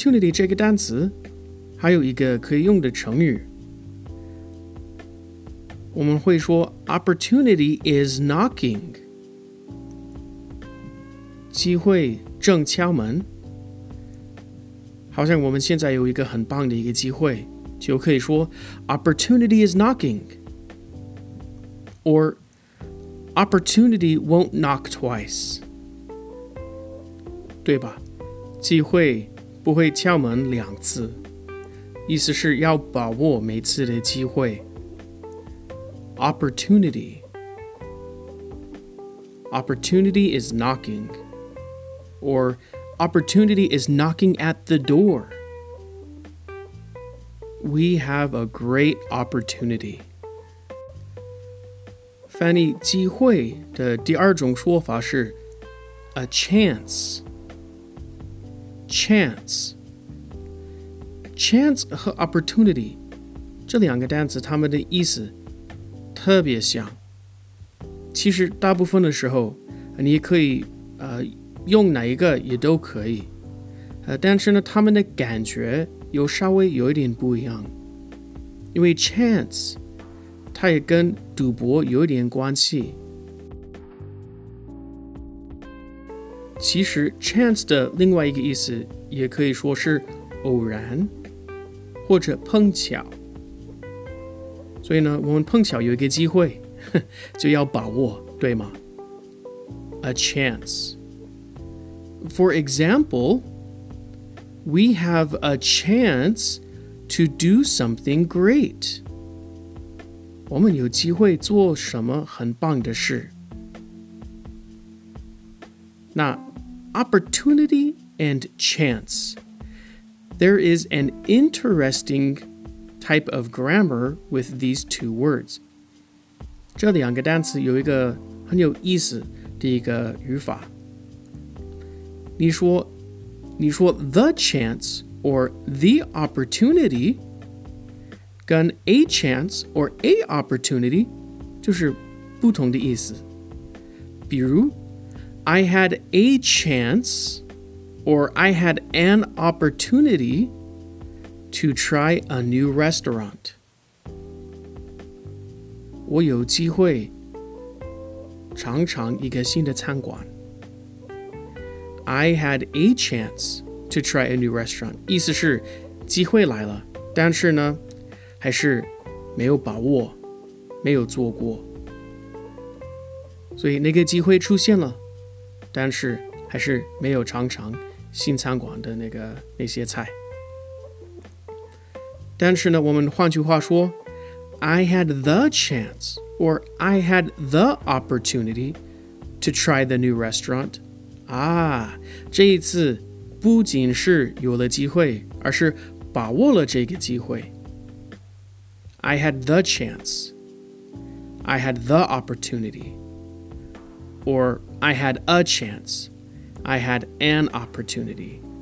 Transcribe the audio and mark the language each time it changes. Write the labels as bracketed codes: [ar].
[zh] 这个单词还有一个可以用的成语。我们会说 [en] opportunity is knocking. [zh] 机会正敲门。好像我们现在有一个很棒的一个机会，就可以说 [en] opportunity is knocking. Or opportunity won't knock twice. [zh] 对吧？机会不会敲门两次，意思是要把握每次的机会。 [en] Opportunity is knocking. Or opportunity is knocking at the door. We have a great opportunity. [zh] 翻译机会的第二种说法是 a chance. [en] Chance. [zh] Chance 和 opportunity 这两个单词它们的意思特别像。其实大部分的时候你可以用哪一个也都可以。但是呢他们的感觉又稍微有一点不一样。因为 chance, 它也跟赌博有一点关系。其实 chance 的另外一个意思也可以说是偶然或者碰巧。所以呢我们碰巧有一个机会就要把握对吗 [en] A chance. For example, we have a chance to do something great. 我们有机会做什么很棒的事。那 opportunity and chance. There is an interestingtype of grammar with these two words. [zh] 这两个单词有一个很有意思的一个语法。你说 [en] the chance or the opportunity 跟 a chance or a opportunity [zh] 就是不同的意思。比如 [en] I had a chance or I had an opportunityTo try a new restaurant. [zh] 我有机会尝尝一个新的餐馆。 [en] I had a chance to try a new restaurant. [zh] 意思是机会来了，但是呢，还是没有把握，没有做过。所以那个机会出现了，但是还是没有尝尝新餐馆的那些菜。但是呢，我们换句话说 [en] I had the chance or I had the opportunity to try the new restaurant. [zh] 啊，这一次不仅是有了机会，而是把握了这个机会。 [en] I had the chance. I had the opportunity. Or I had a chance. I had an opportunity.